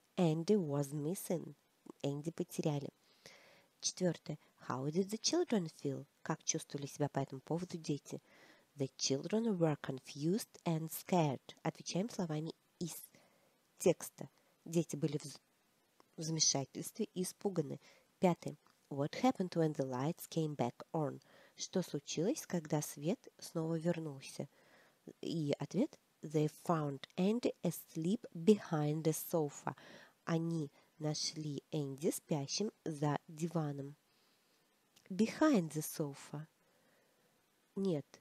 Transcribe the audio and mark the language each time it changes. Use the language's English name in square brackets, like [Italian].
[English] Andy was missing. Andy [Russian] потеряли. Четвертое. [English] How did the children feel? [Russian] Как чувствовали себя по этому поводу дети? [English] The children were confused and scared. [Russian] Отвечаем словами из текста. Дети были в замешательстве и испуганы. Пятое. [English] What happened when the lights came back on? [Russian] Что случилось, когда свет снова вернулся? И ответ. [English] They found Andy asleep behind the sofa. [Russian] Они нашли Энди спящим за диваном. [English] Behind the sofa. [Russian] Нет.